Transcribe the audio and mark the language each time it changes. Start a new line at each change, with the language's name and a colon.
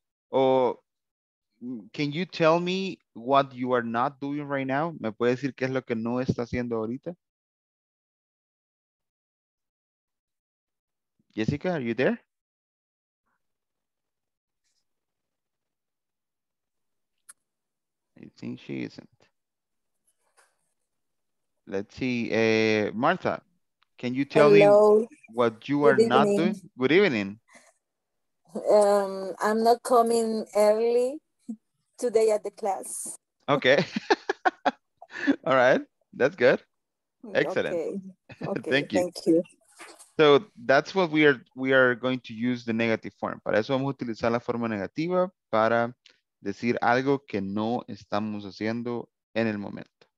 English: Or can you tell me what you are not doing right now?
Spanish: ¿Me puede decir qué es lo que no está haciendo ahorita?
English: Jessica, are you there? I think she isn't. Let's see. Martha, can you tell Hello. Me what you are not doing? Good evening. I'm not coming early today at the class. Okay. All right, that's good. Excellent. Okay. Thank you. So that's what we are going to use the negative form.
Spanish: Para eso vamos a utilizar la forma negativa para decir algo que no estamos haciendo en el momento.